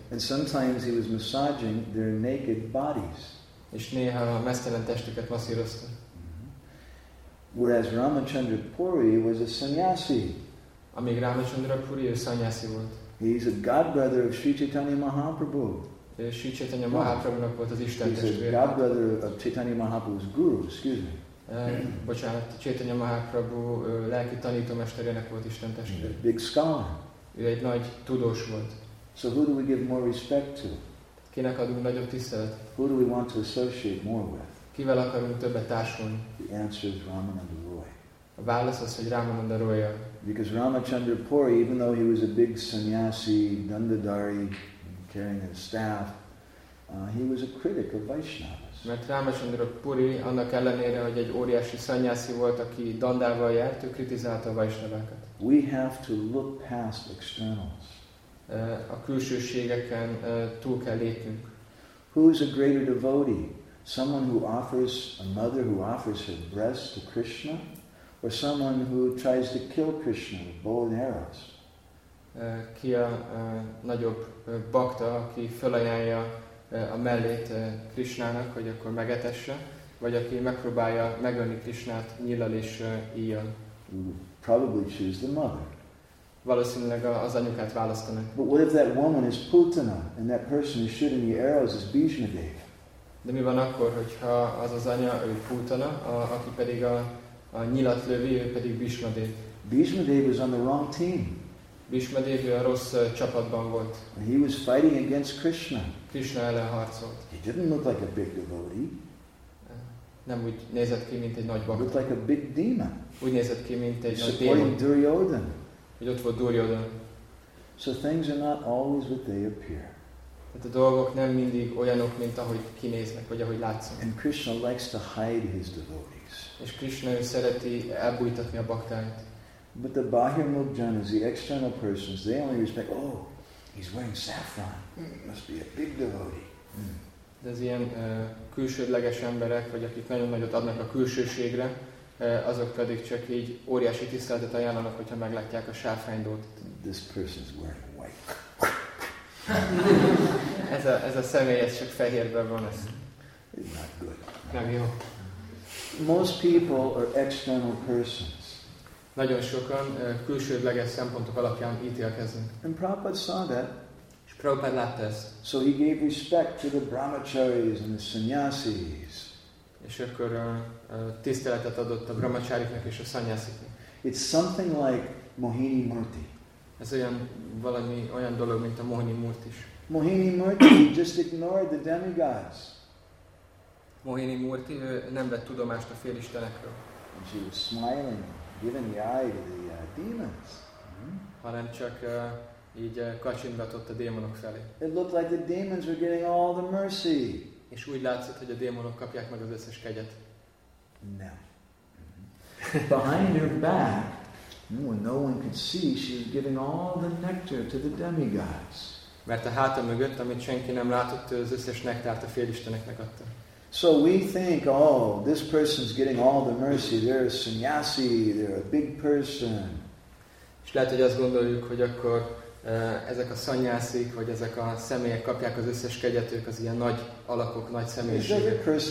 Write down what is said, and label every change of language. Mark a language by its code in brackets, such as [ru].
[en] And sometimes he was massaging their naked bodies. [hu] És néha a meztelen testüket masszírozta. [en] Whereas Ramachandra Puri was a sannyasi. [hu] Amíg Ramachandra Puri a sannyasi volt. [en] He's a godbrother of Sri Chaitanya Mahaprabhu. [hu] Sri Chaitanya Mahaprabhu-nak volt az Isten testvére. [en] He's a godbrother of Chaitanya Mahaprabhu's guru, excuse me. [hu] Bocsánat, Chaitanya Mahaprabhu lelki tanítómesterének volt Isten testvére. [en] Big scholar. [hu] Ő egy nagy tudós volt. [en] So who do we give more respect to? [hu] Kinek adunk nagyobb tisztelet? [en] Who do we want to associate more with? [hu] Kivel akarunk többet társulni? [en] The answer is Ramananda Roy. [hu] A válasz az, hogy Ramananda Roy-ja. [en] Because Ramachandra Puri, even though he was a big sannyasi, dandadari, carrying a staff, he was a critic of Vaishnavas. [hu] Mert Ramachandra Puri, annak ellenére, hogy egy óriási sannyasi volt, aki dandával járt, ő kritizálta a Vaishnavákat. [en] We have to look past externals. [hu] A külsőségeken túl kell lépnünk. [en] Who is a greater devotee? Someone who offers, a mother who offers her breast to Krishna? Or someone who tries to kill Krishna with bow and arrows. [hu] Ki a nagyobb bakta, aki felajánlja a mellét Krishnának, hogy akkor megetesse, vagy aki megpróbálja megölni Krisnát nyíllal és íjjal. [en] Probably choose the mother. [hu] Valószínűleg az anyukát választanak. [en] But what if that woman is Putana and that person is shooting the arrows is Bhishmadev? [hu] De mi van akkor, hogyha az az anya ő Putana, aki pedig a nyilat lövi, ő pedig Bhishmadev? [en] Bhishmadev was on the wrong team. [hu] Bhishmadev a rossz csapatban volt. [en] And he was fighting against Krishna. [hu] Krishna ellen harcolt. [en] He didn't look like a big devotee. [hu] Nem úgy nézett ki, mint egy nagy bakta. [en] Looked like a big demon. [hu] Úgy nézett ki, mint egy nagy démon. [en] Supporting [hu] Duryodhan. Hogy ott volt Duryodhan. [en] So things are not always what they appear. [hu] Tehát a dolgok nem mindig olyanok, mint ahogy kinéznek, vagy ahogy látszik. [en] And Krishna likes to hide his devotees. [hu] És Krishna szereti elbújtatni a baktáit. [en] But the Bahirmukjanas, the external persons, they only respect, oh, he's wearing saffron. Must be a big devotee. Mm. [hu] De az ilyen külsődleges emberek, vagy akik nagyon nagyot adnak a külsőségre, azok pedig csak így óriási tiszteletet ajánlanak, hogyha meglátják a sárfánydót. [en] This person's wearing white. [hu] ez a személy, ez csak fehérben van. Ez. [en] It's not good. [hu] Nem jó. [en] Most people are external persons. [hu] Nagyon sokan külsődleges szempontok alapján ítélkeznek. [en] And Prabhupada saw that. [hu] Prabhupada látta ezt. [en] So he gave respect to the brahmacharis and the sannyasis. [hu] És akkor tiszteletet adott a brahmacháriknak és a sannyasiknak. [en] It's something like Mohini Murti. [hu] Ez olyan valami olyan dolog, mint a Mohini Murti is. [en] Mohini Murti just ignored the demigods. [hu] Mohini Murti nem vett tudomást a félistenekről. [en] And she was smiling, giving the eye to the demons. [hu] Hanem csak így kacsintgatott a démonok felé. [en] It looked like the demons were getting all the mercy. [hu] És úgy látszott, hogy a démonok kapják meg az összes kegyet. [en] No. Behind her back, no one could see, she was giving all the nectar to the demigods. [hu] Mert a háta mögött, amit senki nem látott, ő az összes nektárt a félisteneknek adta. [en] So we think, oh, this person's getting all the mercy, they're a sannyasi, they're a big person. [hu] És lehet, hogy azt gondoljuk, hogy akkor ezek a szanyászik, vagy ezek a személyek kapják az összes kegyet, ők az ilyen nagy alakok, nagy személyiségek.